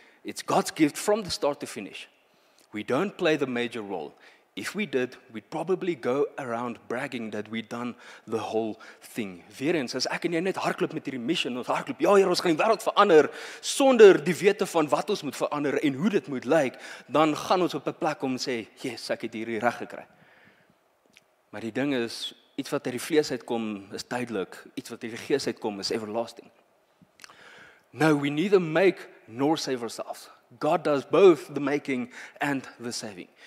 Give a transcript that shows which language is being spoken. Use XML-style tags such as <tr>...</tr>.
<en>It's God's gift from the start to finish. We don't play the major role. If we did, we'd probably go around bragging that we'd done the whole thing.</en> <af>Weerens, as ek en jy net hardloop met hierdie mission, ons hardloop, ja, Heer, ons gaan die wêreld verander, sonder die wete van wat ons moet verander en hoe dit moet lyk, dan gaan ons op 'n plek om sê, yes, ek het hierdie reg gekry. Maar die ding is, iets wat uit die vlees uitkom, is tydelik, iets wat uit die gees uitkom, is everlasting.</af> <en>Now, we neither make nor save ourselves. God does both the making and the saving.</en>